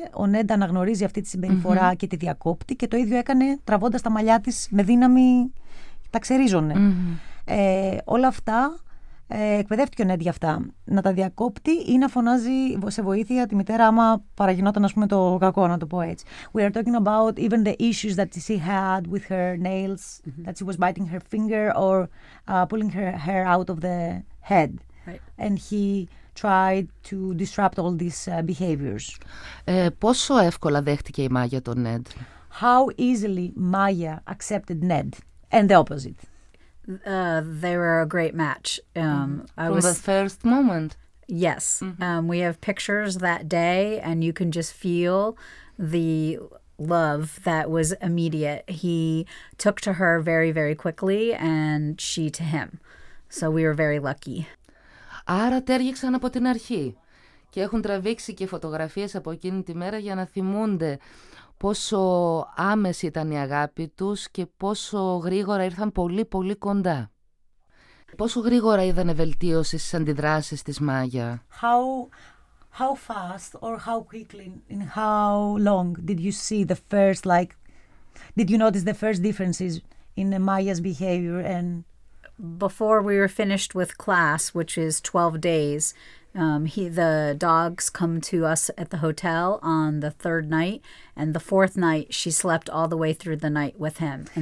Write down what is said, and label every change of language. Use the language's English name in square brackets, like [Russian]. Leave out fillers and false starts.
[Greek] Ο Νέντ αναγνωρίζει αυτή τη συμπεριφορά mm-hmm. και τη διακόπτει και το ίδιο έκανε τραβώντας τα μαλλιά της με δύναμη. Τα ξερίζωνε. Mm-hmm. Όλα αυτά εκπαιδεύτηκε ο Νέντ για αυτά. Να τα διακόπτει ή να φωνάζει σε βοήθεια τη μητέρα άμα παραγινόταν, ας πούμε, το κακό, να το πω έτσι. [English] We are talking about even the issues that she had with her nails, mm-hmm. that she was biting her finger or pulling her hair out of the head. Right. And he tried to disrupt all these behaviors. [Greek] Πόσο εύκολα δέχτηκε η Μάγια τον Νέντ? [English] How easily Maya accepted Ned? And the opposite. They were a great match. From the first moment. Yes. Mm-hmm. We have pictures that day, and you can just feel the love that was immediate. He took to her very, very quickly, and she to him. So we were very lucky. [Greek] Άρα τέργηξαν από την αρχή. Και έχουν τραβήξει και φωτογραφίες από εκείνη τη μέρα για να θυμούνται πόσο άμεση ήταν η αγάπη τους και πόσο γρήγορα ήρθαν πολύ πολύ κοντά. Πόσο γρήγορα είδανε βελτίωση στις αντιδράσεις της Μάγια? [English] How fast or how quickly in how long did you see the first, like, did you notice the first differences in Maya's behavior? And before we were finished with class, which is 12 days, the dogs come to us at the hotel on the third night, and the fourth night she slept all the way through the night with him.